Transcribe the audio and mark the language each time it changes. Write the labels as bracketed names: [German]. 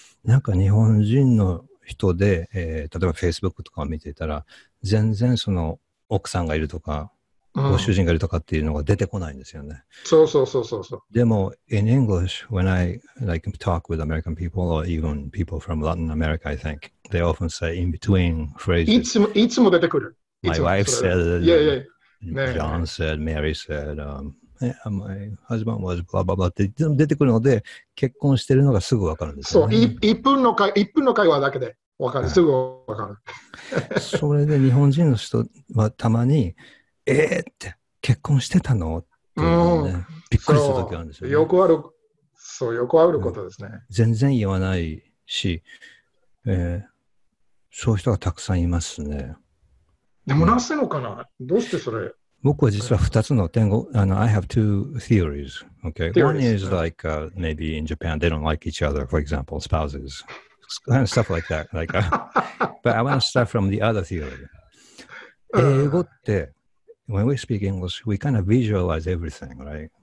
[Japanese] なんか日本人の人で、例えば Facebook とかを見ていたら、全然その奥さんがいるとか、ご主人がいるとかっていうのが出てこないんですよね。そうそうそうそうそう。 [English] でも、in English, when I like talk with American people or even people from Latin America, I think, they often say in between phrases. [Japanese] いつも出てくる。 [English] My wife said, yeah, yeah. John said, Mary said, yeah, my husband was blah blah blah. [Japanese] って出てくるので、結婚してるのがすぐ分かるんですよ、ね。そう、1分の会話だけで分かる。はい、すぐ分かる。それで日本人の人はたまに、って結婚してたのって、ね、びっくりした時あるんですよ、ね。よくあることですね。全然言わないし、そういう人がたくさんいますね。でもなぜのかな、うん、どうしてそれ僕は実は2つの点を、 [English] I have two theories, okay? One is like, maybe in Japan, they don't like each other, for example, spouses, and stuff like that. Like, but I want to start from the other theory. [Japanese] 英語って、 [English] when we speak English, we kind of visualize everything, right?